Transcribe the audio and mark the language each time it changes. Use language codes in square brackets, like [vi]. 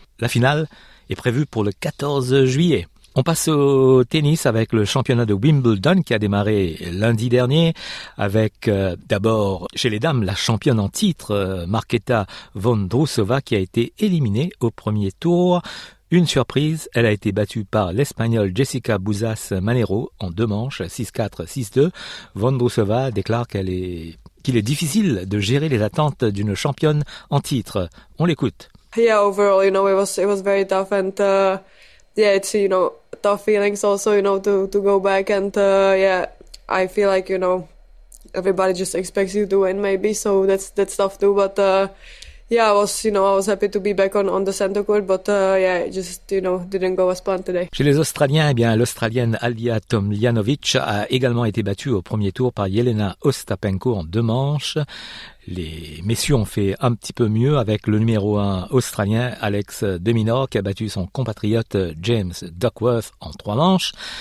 [fr] La finale est prévue pour le 14 juillet. On passe au tennis avec le championnat de Wimbledon qui a démarré lundi dernier avec d'abord chez les dames la championne en titre Markéta Vondrousova qui a été éliminée au premier tour. Une surprise, elle a été battue par l'Espagnole Jessica Buzas Manero en deux manches 6-4-6-2. Vondrousova déclare qu'il est difficile de gérer les attentes d'une championne en titre. On l'écoute. [en] Yeah, overall, you know, it was very tough and yeah, it's, you know, tough feelings also, you know, to go back and, yeah, I feel like, you know, everybody just expects you to win maybe, so that's tough too, but, yeah, I was happy to be back on the center court, but, yeah, it just, you know, didn't go as planned today. [fr] Chez les Australiens, eh bien, l'Australienne Alia Tomljanovic a également été battue au premier tour par Yelena Ostapenko en deux manches. Les messieurs ont fait un petit peu mieux avec le numéro 1 australien Alex de Minaur qui a battu son compatriote James Duckworth en trois manches.